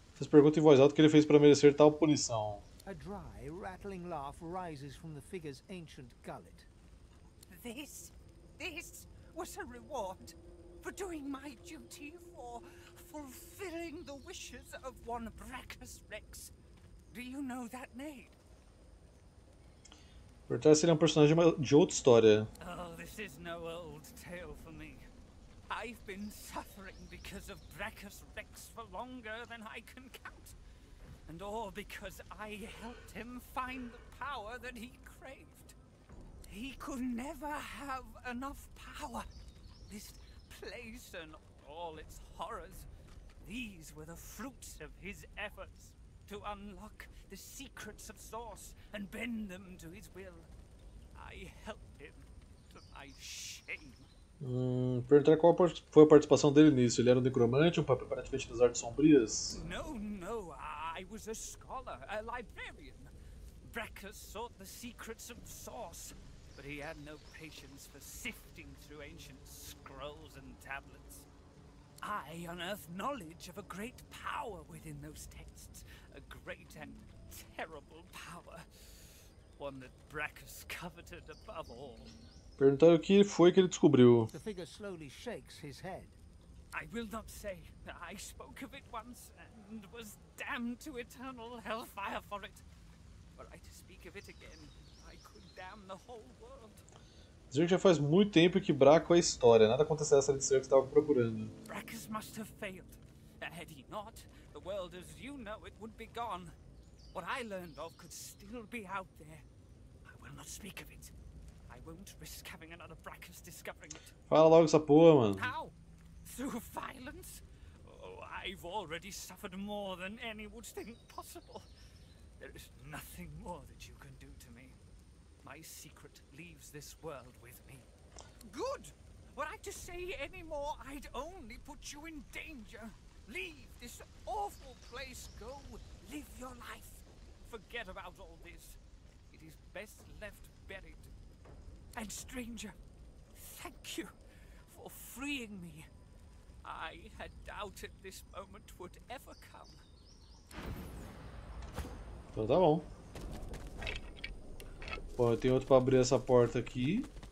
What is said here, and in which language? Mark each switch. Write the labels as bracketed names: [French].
[Portuguese] Pergunta em voz alta o que ele fez para merecer tal punição. [English] A dry, rattling laugh rises from the figure's ancient gullet. This was a reward for doing my duty, for fulfilling the wishes of one Brachus Rex. Do you know that name? Por trás seria um personagem de outra história. Oh, this is no old tale for me. I've been suffering because of Brachus Rex for longer than I can count. And all because I helped him find the power that he craved. He could never have enough power. This place and all its horrors, these were the fruits of his efforts to unlock the secrets of Source and bend them to his will. I helped him to my shame. [Portuguese] Perguntar qual foi a participação dele nisso. Ele era um necromante, um praticante das artes sombrias? [English] Não, I was a scholar, a librarian. Brachus sought the secrets of Source, but he had no patience for sifting through ancient scrolls and tablets. I unearthed knowledge of a great power within those texts, a great and terrible power, one that Brachus coveted above all. Perguntar o que foi que ele descobriu. The figure slowly shakes his head. I will not say. I spoke of it once and was damned to eternal hellfire for it. Were I to speak of it again, I could damn the whole world. [Portuguese] Dizer que já faz muito tempo que Braco é história. Nada aconteceu se ele disser que estava procurando. [English] Brachus must have failed. Had he not, the world as you know it would be gone. What I learned of could still be out there. I will not speak of it. Won't risk having another Brachus discovering it. [Portuguese] Fala logo essa porra, mano. [English] How? Through violence? Oh, I've already suffered more than any would think possible. There is nothing more that you can do to me. My secret leaves this world with me. Good! Were I to say any more, I'd only put you in danger. Leave this awful place. Go live your life. Forget about all this. It is best left buried. And stranger, thank you for freeing me. I had doubted this moment would ever come. [Portuguese] Então tá bom. Pô, eu tenho outro pra abrir essa porta aqui.